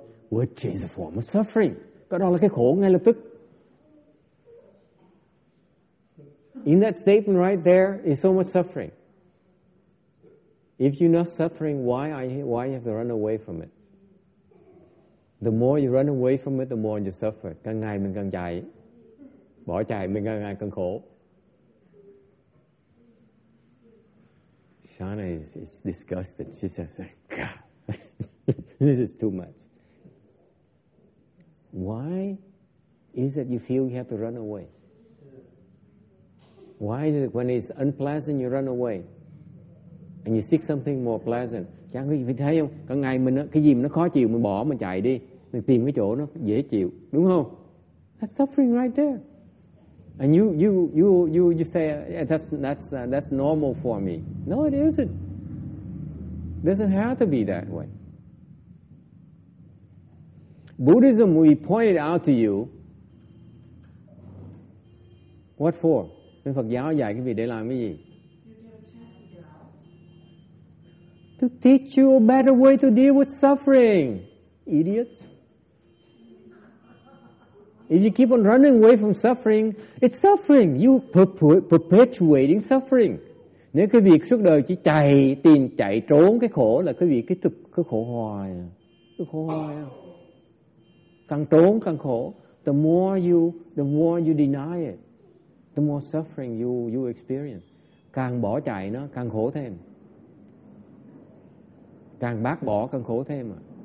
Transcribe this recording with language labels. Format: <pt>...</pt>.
<en>Which is a form of suffering.</en> <vi>Cái đó là cái khổ ngay lập tức.</vi> <en>In that statement right there is so much suffering. If you're not suffering, why you have to run away from it? The more you run away from it, the more you suffer.</en> <vi>Càng ngày mình càng chạy, bỏ chạy mình ngang ngang cơn khổ.</vi> <en>Shana is disgusted. She says, God, this is too much. Why is it you feel you have to run away? Why is it when it's unpleasant you run away? And you seek something more pleasant.</en> <vi>Chẳng có gì phải thấy không? Cả ngày mình cái gì mà nó khó chịu mình bỏ mình chạy đi. Mình tìm cái chỗ nó dễ chịu. Đúng không?</vi> <en>That's suffering right there. And you say that's normal for me. No, it isn't. Doesn't have to be that way. Buddhism, we pointed out to you. What for?</en> <vi>Bên Phật giáo dạy cái việc để làm cái gì?</vi> <en>To teach you a better way to deal with suffering, idiots. If you keep on running away from suffering, it's suffering. You perpetuating suffering.</en> <vi>Nếu cái việc suốt đời chỉ chạy tìm chạy trốn cái khổ là cái việc cái khổ hoài, cái khổ hoài. Càng trốn càng khổ.</vi> <en>The more you deny it, the more suffering you experience.</en> <vi>Càng bỏ chạy nó càng khổ thêm. Càng bác bỏ càng khổ thêm à.</vi>